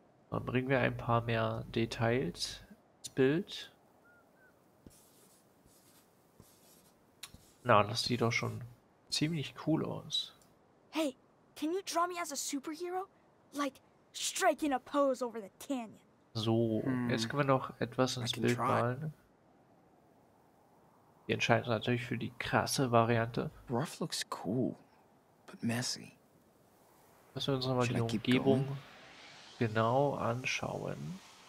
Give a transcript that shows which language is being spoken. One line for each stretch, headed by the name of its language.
German: Dann bringen wir ein paar mehr Details ins Bild. Na, das sieht doch schon ziemlich cool aus.
English: Hey, can you draw me as a superhero? Like striking a pose over the canyon.
German: So, jetzt können wir noch etwas ins Bild malen. Wir entscheiden uns natürlich für die krasse Variante.
English: Rough looks cool, but messy.
German: Lassen wir uns nochmal die Umgebung genau anschauen.